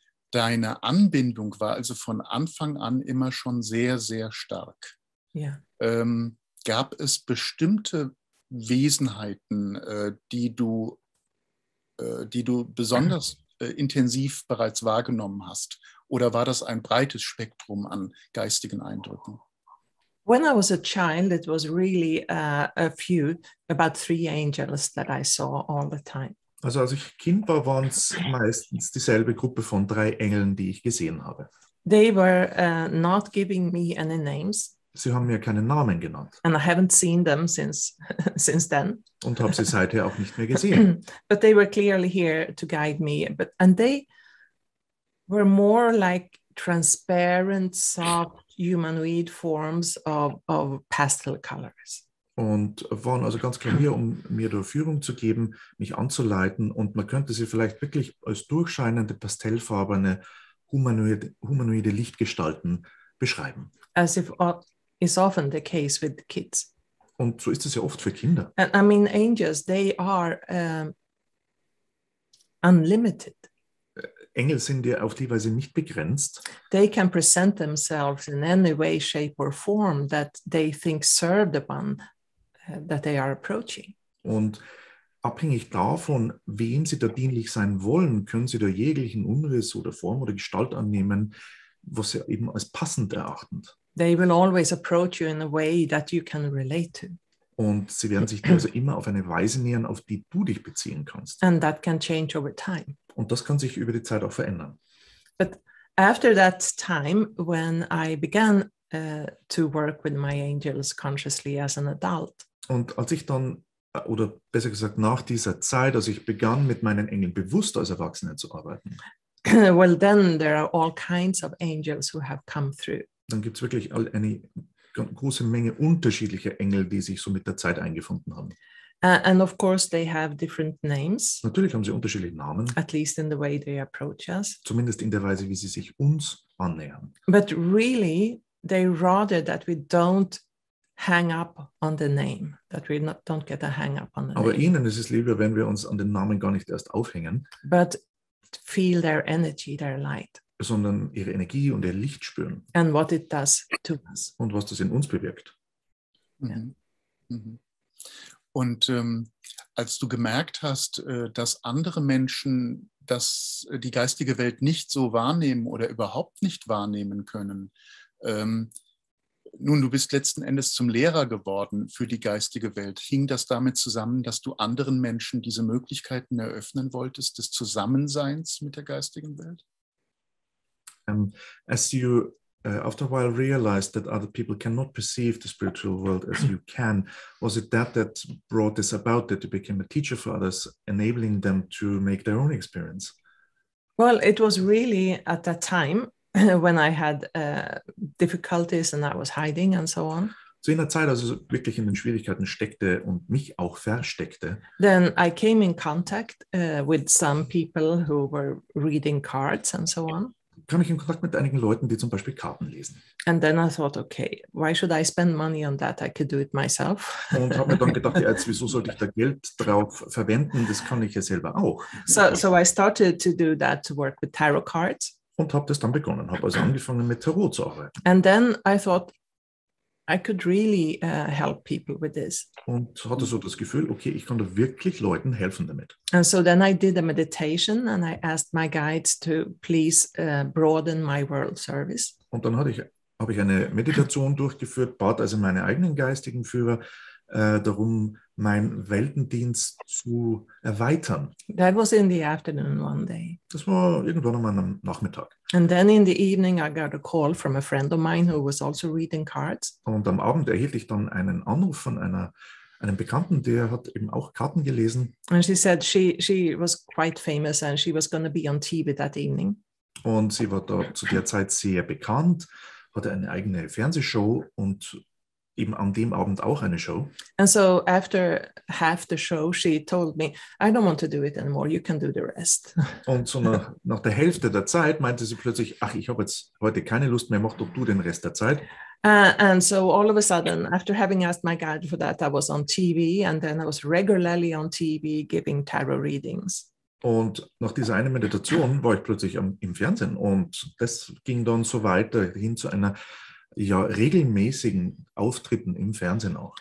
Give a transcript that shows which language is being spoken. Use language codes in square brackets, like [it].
[de] Deine Anbindung war also von Anfang an immer schon sehr, sehr stark. Ja. Gab es bestimmte Wesenheiten, die du besonders intensiv bereits wahrgenommen hast? Oder war das ein breites Spektrum an geistigen Eindrücken? [en] When I was a child, it was really a few, about three angels that I saw all the time. [de] Also als ich Kind war, waren es meistens dieselbe Gruppe von drei Engeln, die ich gesehen habe. [en] They were not giving me any names. [de] Sie haben mir keinen Namen genannt. [en] And I haven't seen them since then. [de] Und habe sie seither auch nicht mehr gesehen. [en] But they were clearly here to guide me. And they were more like transparent, soft, humanoid forms of pastel colors. [de] Und waren also ganz klar hier, um mir die Führung zu geben, mich anzuleiten. Und man könnte sie vielleicht wirklich als durchscheinende, pastellfarbene, humanoide Lichtgestalten beschreiben. [en] As if is often the case with kids. [de] Und so ist es ja oft für Kinder. [en] And, I mean, angels, they are unlimited. [de] Engel sind ja auf die Weise nicht begrenzt. [en] They can present themselves in any way, shape or form that they think serve the one that they are approaching. [de] Und abhängig davon, wem sie da dienlich sein wollen, können sie da jeglichen Umriss oder Form oder Gestalt annehmen, was sie eben als passend erachten. [en] They will always approach you in a way that you can relate to. [de] Und sie werden sich dir also immer auf eine Weise nähern, auf die du dich beziehen kannst. [en] And that can change over time. [de] Und das kann sich über die Zeit auch verändern. [en] But after that time, when I began to work with my angels consciously as an adult. [de] Und als ich dann, oder besser gesagt nach dieser Zeit, als ich begann, mit meinen Engeln bewusst als Erwachsener zu arbeiten. [en] Well, then there are all kinds of angels who have come through. [de] Dann gibt es wirklich eine große Menge unterschiedlicher Engel, die sich so mit der Zeit eingefunden haben. [en] And of course they have different names. [de] Natürlich haben sie unterschiedliche Namen. [en] At least in the way they approach us. [de] Zumindest in der Weise, wie sie sich uns annähern. [en] But really, they rather that we don't hang up on the name. That we not, don't get a hang up on the [de] Aber [en] name. [de] Ihnen ist es lieber, wenn wir uns an den Namen gar nicht erst aufhängen. [en] But feel their energy, their light. [de] Sondern ihre Energie und ihr Licht spüren. [en] And what it does to us. [de] Und was das in uns bewirkt. Und als du gemerkt hast, dass andere Menschen dass die geistige Welt nicht so wahrnehmen oder überhaupt nicht wahrnehmen können, nun, du bist letzten Endes zum Lehrer geworden für die geistige Welt. Hing das damit zusammen, dass du anderen Menschen diese Möglichkeiten eröffnen wolltest, des Zusammenseins mit der geistigen Welt? [en] As you after a while realized that other people cannot perceive the spiritual world as you can, was it that brought this about, that you became a teacher for others, enabling them to make their own experience? Well, it was really at that time when I had difficulties and I was hiding and so on. [de] So in der Zeit, als ich wirklich in den Schwierigkeiten steckte und mich auch versteckte. [en] Then I came in contact with some people who were reading cards and so on. [de] Kam ich in Kontakt mit einigen Leuten, die zum Beispiel Karten lesen. [en] And then I thought, okay, why should I spend money on that? I could do it myself. [de] Und habe mir dann gedacht, ja, jetzt, wieso sollte ich da Geld drauf verwenden? Das kann ich ja selber auch. [en] So I started to do that, to work with tarot cards. [de] Und habe das dann begonnen, habe also angefangen mit Tarot zu arbeiten. [en] And then I thought, I could really help people with this. [de] Und hatte so das Gefühl, okay, ich kann da wirklich Leuten helfen damit. [en] And so then I did a meditation and I asked my guides to please broaden my world service. [de] Und dann habe ich eine Meditation durchgeführt, bat also meine eigenen geistigen Führer darum, meinen Weltendienst zu erweitern. [en] That was in the afternoon one day. [de] Das war irgendwann an einem Nachmittag. [en] And then in the evening I got a call from a friend of mine who was also reading cards. [de] Und am Abend erhielt ich dann einen Anruf von einem Bekannten, der hat eben auch Karten gelesen. [en] And she said she was quite famous and she was going to be on TV that evening. [de] Und sie war da zu der Zeit sehr bekannt, hatte eine eigene Fernsehshow und eben an dem Abend auch eine Show. [en] And so after half the show, she told me, I don't want to do it anymore, you can do the rest. [de] Und so nach der Hälfte der Zeit meinte sie plötzlich, ach, ich habe jetzt heute keine Lust mehr, mach doch du den Rest der Zeit. [en] And so all of a sudden, after having asked my guide for that, I was on TV and then I was regularly on TV giving tarot readings. [de] Und nach dieser einen Meditation war ich plötzlich im Fernsehen und das ging dann so weiter hin zu einer ja regelmäßigen Auftritten im Fernsehen auch.